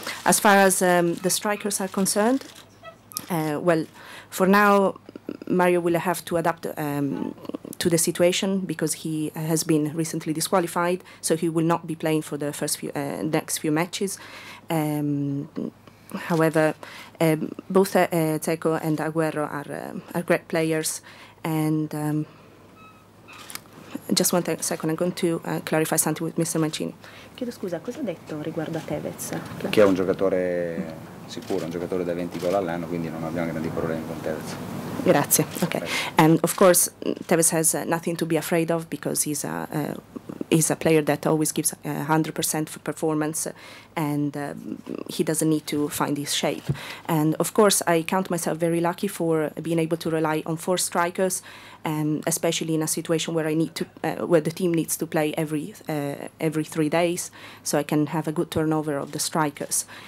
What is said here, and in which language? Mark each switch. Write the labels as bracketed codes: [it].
[en] As far as the strikers are concerned, for now, Mario will have to adapt to the situation because he has been recently disqualified, so he will not be playing for the next few matches. However, both Zeko and Aguero are great players, and just one second, I'm going to clarify something with Mr. Mancini. [it] Chiedo scusa, cosa ha detto riguardo a Tevez? Che è un giocatore sicuro, un giocatore da 20 gol all'anno, quindi non abbiamo grandi problemi con Tevez. Grazie. Okay. [en] And of course, Tevez has nothing to be afraid of because he's a player that always gives 100% for performance, and he doesn't need to find his shape. And of course, I count myself very lucky for being able to rely on four strikers, and especially in a situation where I need to, where the team needs to play every 3 days, so I can have a good turnover of the strikers.